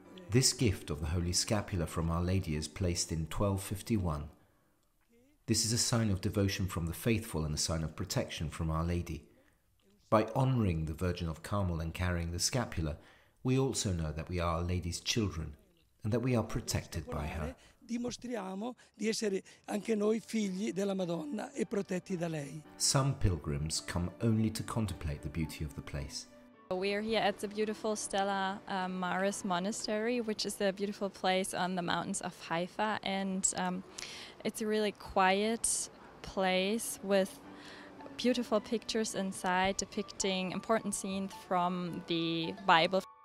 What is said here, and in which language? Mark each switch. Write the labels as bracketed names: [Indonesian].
[English] This gift of the Holy Scapular from Our Lady is placed in 1251. This is a sign of devotion from the faithful and a sign of protection from Our Lady. By honoring the Virgin of Carmel and carrying the scapular, we also know that we are Our Lady's children and that we are protected by her. [Italian] Dimostriamo di essere anche noi figli della Madonna e protetti da lei. [English] Some pilgrims come only to contemplate the beauty of the place. We are here at the beautiful Stella Maris Monastery, which is a beautiful place on the mountains of Haifa, and it's a really quiet place with beautiful pictures inside depicting important scenes from the Bible.